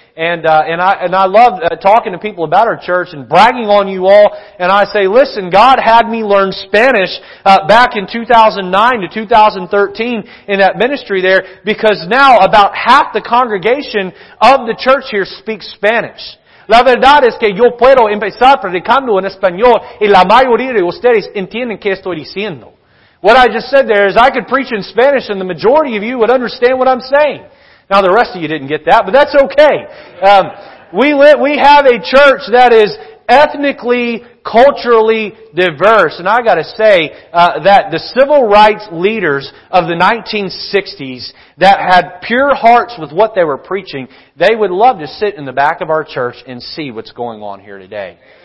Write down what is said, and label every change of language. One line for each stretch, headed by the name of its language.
English: And I love talking to people about our church and bragging on you all. And I say, listen, God had me learn Spanish back in 2009 to 2013 in that ministry there, because now about half the congregation of the church here speaks Spanish.
Spanish: La verdad es que yo puedo empezar predicando en español y la mayoría de ustedes entienden qué estoy diciendo.
English: What I just said there is I could preach in Spanish and the majority of you would understand what I'm saying. Now the rest of you didn't get that, but that's okay. We have a church that is ethnically, culturally diverse. And I gotta say, that the civil rights leaders of the 1960s that had pure hearts with what they were preaching, they would love to sit in the back of our church and see what's going on here today.